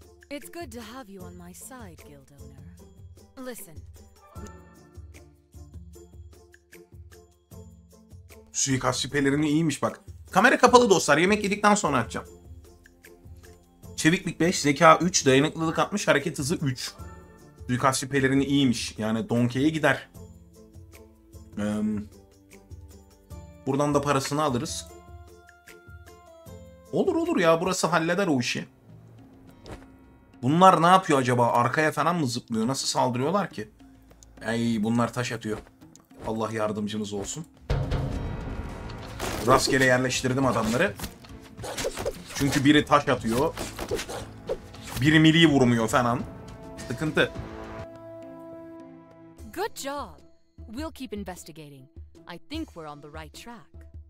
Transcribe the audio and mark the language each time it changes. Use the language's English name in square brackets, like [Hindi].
[English] It's good to have you on my side, guild owner. Listen. [Turkish] Suikast şüphelerini iyiymiş bak. Kamera kapalı dostlar. Yemek yedikten sonra açacağım. Çeviklik 5, zeka 3, dayanıklılık 60, hareket hızı 3. Suikast şüphelerini iyiymiş. Yani donkeye gider. Buradan da parasını alırız. Olur ya, burası halleder o işi. Bunlar ne yapıyor acaba? Arkaya falan mı zıplıyor? Nasıl saldırıyorlar ki? Ey, bunlar taş atıyor. Allah yardımcınız olsun. Rastgele yerleştirdim adamları. Çünkü biri taş atıyor. Biri mili vurmuyor falan. Sıkıntı. [English] Good job. We'll keep investigating. I think we're on the right track.